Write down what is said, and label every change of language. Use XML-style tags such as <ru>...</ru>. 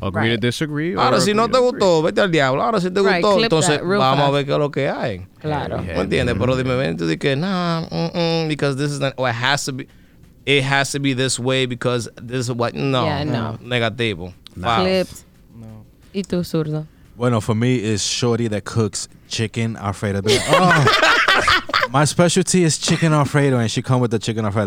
<en>Agree to disagree.</en> <es>Ahora si no te gustó, vete al diablo. Ahora si te gustó, entonces vamos a ver qué es lo que hay. Claro. ¿Me entiendes? Pero dime, ven, tú dices,</es> <en>because this is not, or it has to be this way because this is what,</en> <es>no.</es> <en>Yeah, no.</en> <es>Negativo. Clipped. No. Y tú, zurdo.</es> <en>Bueno, for me, it's shorty that cooks chicken alfredo. Oh, my specialty is chicken alfredo, and she come with the chicken alfredo.</en>